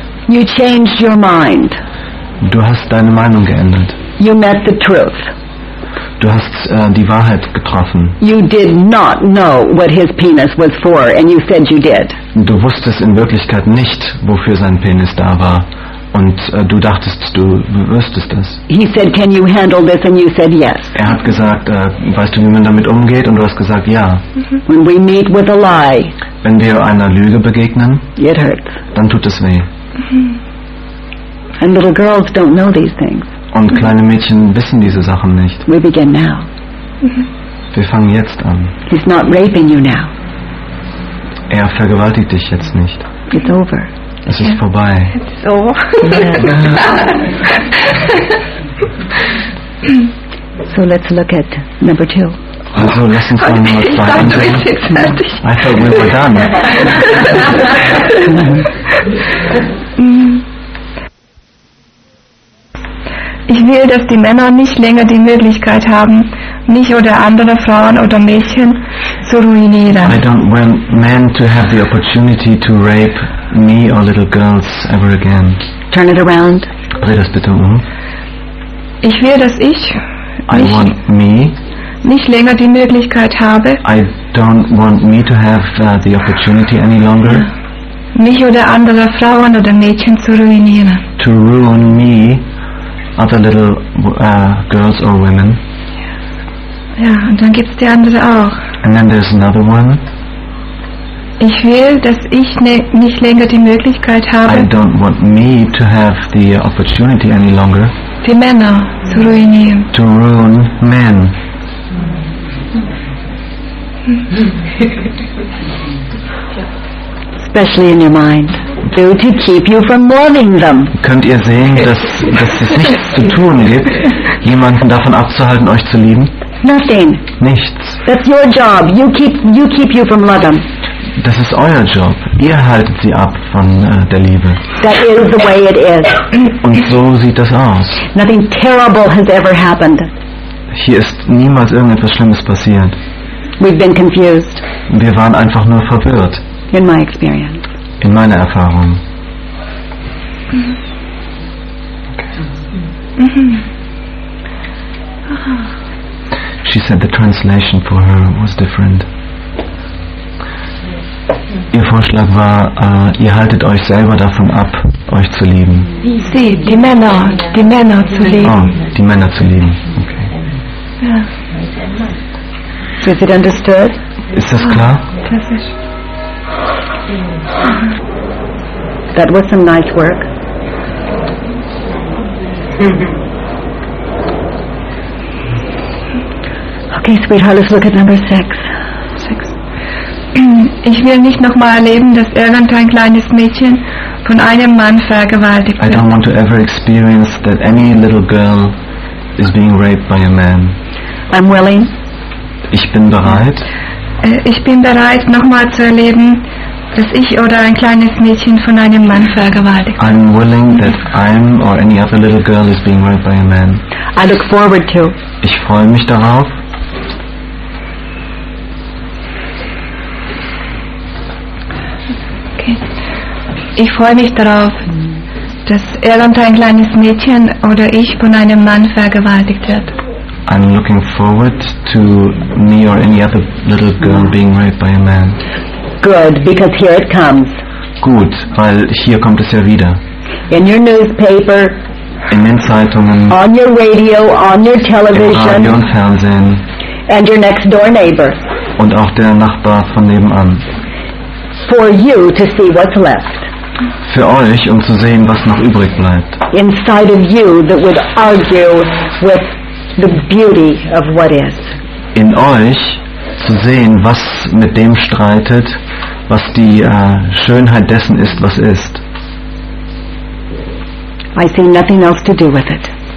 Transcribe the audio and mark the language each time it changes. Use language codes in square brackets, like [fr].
[en] You changed your mind. [de] Du hast deine Meinung geändert. [en] You met the truth. [de] Du hast die Wahrheit getroffen. [en] You did not know what his penis was for, and you said you did. [de] Du wusstest in Wirklichkeit nicht, wofür sein Penis da war, und du dachtest, du wüsstest es. [en] He said, "Can you handle this?" and you said yes. [de] Er hat gesagt, weißt du, wie man damit umgeht, und du hast gesagt, ja. Mm-hmm. [en] When we meet with a lie, [de] wenn wir einer Lüge begegnen, [en] it hurts. [de] Dann tut es weh. [en] Mm-hmm. And little girls don't know these things. [de] Und kleine Mädchen wissen diese Sachen nicht. [en] We begin now. [de] Wir fangen jetzt an. [en] He's not raping you now. [de] Er vergewaltigt dich jetzt nicht. [en] It's over. [de] Es ist vorbei. [en] It's over. So let's look at number two. [de] Also lass uns mal Nummer zwei ansehen. [en] I thought we were done. [de] Ich will, dass die Männer nicht länger die Möglichkeit haben, mich oder andere Frauen oder Mädchen zu ruinieren. [en] I don't want men to have the opportunity to rape me or little girls ever again. Turn it around. [de] Dreh das bitte um. Ich will, dass ich [en] I want me [de] nicht länger die Möglichkeit habe. [en] I don't want me to have the opportunity any longer. [de] Mich oder andere Frauen oder Mädchen zu ruinieren. [en] To ruin me, other little girls or women. [de] Ja, und dann gibt's die andere auch. [en] And then there's another one. [de] Ich will, dass ich nicht länger die Möglichkeit habe. [en] I don't want me to have the opportunity any longer. [de] Die Männer zu ruinieren. [en] To ruin men. Especially in your mind, do to keep you from loving them. [de] Könnt ihr sehen, dass es nichts zu tun gibt, jemanden davon abzuhalten, euch zu lieben? [en] Nothing. [de] Nichts. [en] That's your job. You keep you from loving. [de] Das ist euer Job. Ihr haltet sie ab von der Liebe. [en] That is the way it is. [de] Und so sieht das aus. [en] Nothing terrible has ever happened. [de] Hier ist niemals irgendetwas Schlimmes passiert. [en] We've been confused. [de] Wir waren einfach nur verwirrt. [en] In my experience. [de] In meiner Erfahrung. [en] She said the translation for her was different. [de] Ihr Vorschlag war, ihr haltet euch selber davon ab, euch zu lieben. Sie, die Männer zu lieben. Oh, die Männer zu lieben. Okay. [en] Ja. Yeah. So is it understood? [de] Ist das klar? [en] That was some nice work. Okay, sweetheart, let's look at number six. [de] Ich will nicht nochmal erleben, dass irgendein kleines Mädchen von einem Mann vergewaltigt wird. [en] I don't want to ever experience that any little girl is being raped by a man. I'm willing. [de] Ich bin bereit. Ich bin bereit, nochmal zu erleben, dass ich oder ein kleines Mädchen von einem Mann vergewaltigt wird. [en] I'm willing that I'm or any other little girl is being raped by a man. I look forward to. [de] Ich freue mich darauf. Ich freue mich darauf, dass irgendein kleines Mädchen oder ich von einem Mann vergewaltigt wird. [en] I'm looking forward to me or any other little girl being raped by a man. Good, because here it comes. [de] Gut, weil hier kommt es ja wieder. [en] In your newspaper. [de] In den Zeitungen. [en] On your radio, on your television. [de] Im Radio und Fernsehen. [en] And your next door neighbor. [de] Und auch der Nachbar von nebenan. [en] For you to see what's left. [de] Für euch, um zu sehen, was noch übrig bleibt. [en] Inside of you that would argue with the beauty of what is. [de] In euch zu sehen, was mit dem streitet, was die Schönheit dessen ist, was ist. [en] I see nothing else to do with it.